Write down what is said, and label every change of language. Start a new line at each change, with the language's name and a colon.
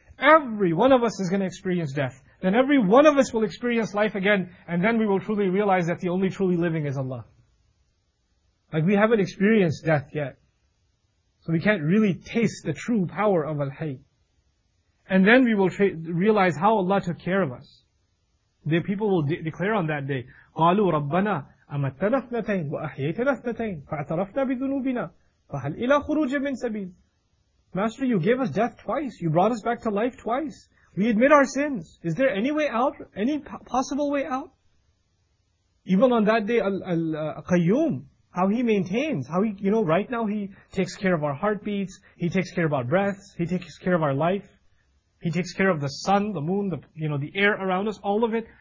English: Every one of us is gonna experience death. Then every one of us will experience life again, and then we will truly realize that the only truly living is Allah. Like, we haven't experienced death yet. So we can't really taste the true power of Al-Hayy. And then we will realize how Allah took care of us. The people will declare on that day,
Arabic: قَالُوا رَبَّنَا أَمَتَّنَا اثْنَتَيْنَ وَأَحْيَيْتَنَا اثْنَتَيْنَ فَاعْتَرَفْنَا بِذُنُوبِنَا فَهَلْ إِلَى خُرُوجٍ مِنْ سَبِيلٍ.
English: Master, you gave us death twice. You brought us back to life twice. We admit our sins. Is there any way out? Any possible way out? Even on that day, Al-Qayyum, how he maintains, how he, you know, right now he takes care of our heartbeats, he takes care of our breaths, he takes care of our life, he takes care of the sun, the moon, the air around us, all of it.